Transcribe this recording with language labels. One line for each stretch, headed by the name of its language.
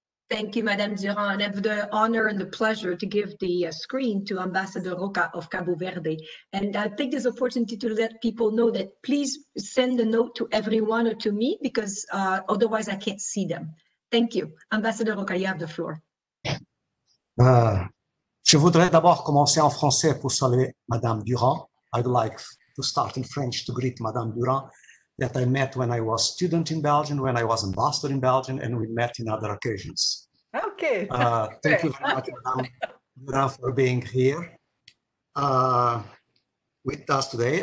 English: Thank you, Madame Durand. I have the honor and the pleasure to give the screen to Ambassador Roca of Cabo Verde. And I take this opportunity to let people know that please send a note to everyone or to me, because otherwise I can't see them. Thank you. Ambassador Roca, you have the floor.
French: Je voudrais d'abord commencer en français pour saluer Madame Durand.
English: I'd like to start in French to greet Madame Durand, that I met when I was student in Belgium, when I was ambassador in Belgium, and we met in other occasions. Okay. Thank you very much, Madame Durand, for being here with us today.